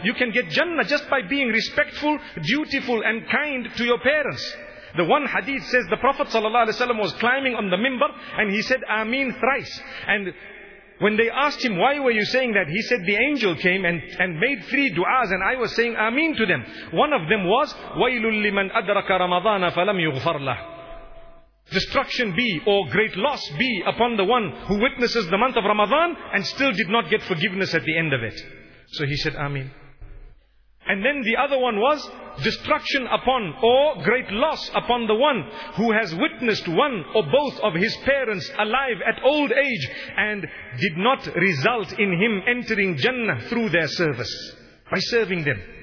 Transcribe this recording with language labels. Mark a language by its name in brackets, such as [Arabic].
[English] You can get Jannah just by being respectful, dutiful and kind to your parents. The one hadith says the Prophet ﷺ was climbing on the minbar and he said Ameen thrice. And when they asked him, why were you saying that? He said, the angel came and made three du'as and I was saying Ameen to them. One of them was, [Arabic] وَيْلٌ لِّمَنْ أَدْرَكَ رَمَضَانَ فَلَمْ يُغْفَرْ لَهُ. [English] Destruction be, or great loss be, upon the one who witnesses the month of Ramadan and still did not get forgiveness at the end of it. So he said Ameen. And then the other one was, destruction upon, or great loss upon, the one who has witnessed one or both of his parents alive at old age and did not result in him entering Jannah through their service, by serving them.